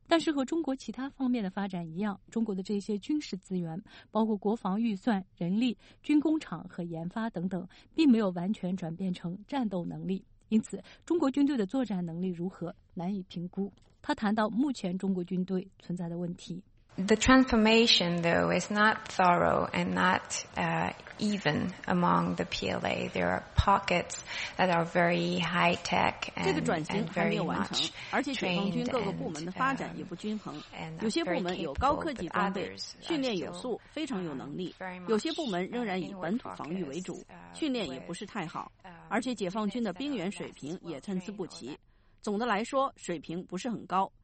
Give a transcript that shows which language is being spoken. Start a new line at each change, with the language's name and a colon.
Chinese: 但是和中国其他方面的发展一样，中国的这些军事资源，包括国防预算、人力、军工厂和研发等等，并没有完全转变成战斗能力。因此，中国军队的作战能力如何难以评估。他谈到目前中国军队存在的问题。
English: The transformation, though, is not thorough and not even among the PLA. There are pockets that are very high tech and very much trained and
Chinese: capable. 而且解放军各个部门的发展也不均衡。有些部门有高科技装备，训练有素，非常有能力。有些部门仍然以本土防御为主，训练也不是太好。而且解放军的兵员水平也参差不齐。总的来说，水平不是很高。